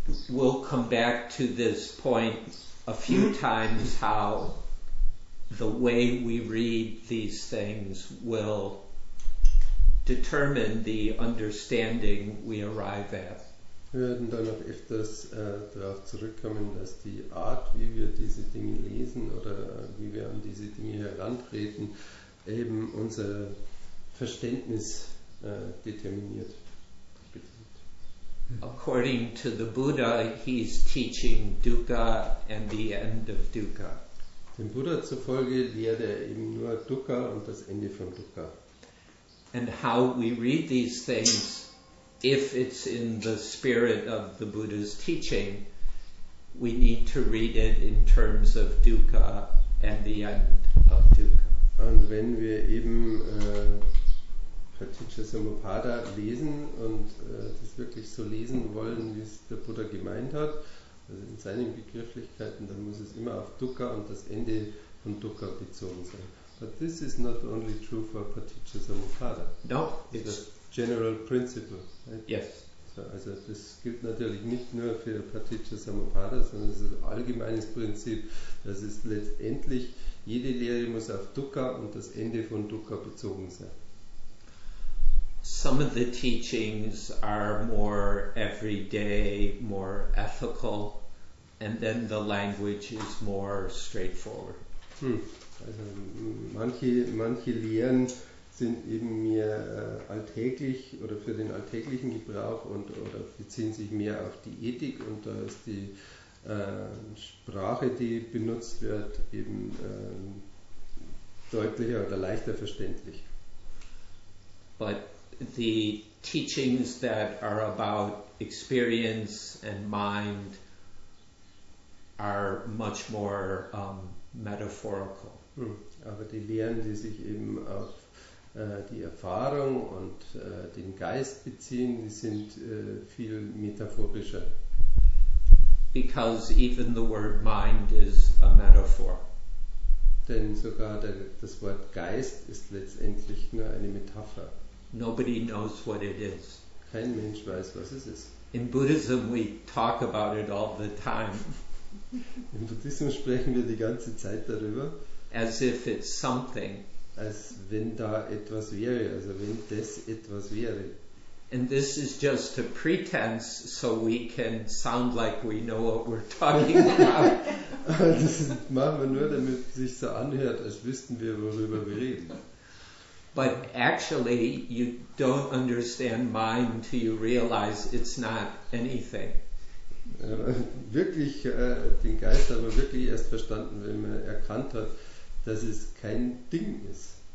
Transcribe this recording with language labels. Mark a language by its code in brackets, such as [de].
[en] We'll come back to this point a few times, how the way we read these things will determine the understanding we arrive at. [de] Wir werden dann noch öfters darauf zurückkommen, dass die Art, wie wir diese Dinge lesen oder wie wir an diese Dinge herantreten, eben unser Verständnis determiniert. [en] According to the Buddha, he's teaching dukkha and the end of dukkha. [de] Dem Buddha zufolge lehrt eben nur dukkha und das Ende von dukkha. [en] And how we read these things, if it's in the spirit of the Buddha's teaching, we need to read it in terms of dukkha and the end of dukkha. [de] Und wenn wir eben Paticca Samuppada lesen und das wirklich so lesen wollen, wie es der Buddha gemeint hat, also in seinen Begrifflichkeiten, dann muss es immer auf dukkha und das Ende von dukkha bezogen sein. [en] But this is not only true for Paticca Samuppada. No, it's general principle. Right? Yes. [de] So, also das gilt natürlich nicht nur für Paticca Samuppada, sondern es ist ein allgemeines Prinzip. Das ist letztendlich, jede Lehre muss auf dukkha und das Ende von dukkha bezogen sein. [en] Some of the teachings are more everyday, more ethical, and then the language is more straightforward. [de] Also manche Lehren sind eben mehr alltäglich oder für den alltäglichen Gebrauch und oder beziehen sich mehr auf die Ethik und da ist die Sprache, die benutzt wird, eben deutlicher oder leichter verständlich. [en] But the teachings that are about experience and mind are much more metaphorical. [de] Aber die Lehren, die sich eben auf die Erfahrung und den Geist beziehen, die sind viel metaphorischer. [en] Because even the word mind is a metaphor. [de] Denn sogar das Wort Geist ist letztendlich nur eine Metapher. [en] Nobody knows what it is. [de] Kein Mensch weiß, was es ist. [en] In Buddhism we talk about it all the time. [de] Im Buddhismus sprechen wir die ganze Zeit darüber. [en] As if it's something. [de] Als wenn da etwas wäre, also wenn das etwas wäre. [en] And this is just a pretense, so we can sound like we know what we're talking about. [de] Das machen wir nur, damit es sich so anhört, als wüssten wir, worüber wir reden. [en] But actually, you don't understand mind till you realize it's not anything. [de] Wirklich, den Geist haben wir wirklich erst verstanden, wenn man erkannt hat, dass es kein Ding ist.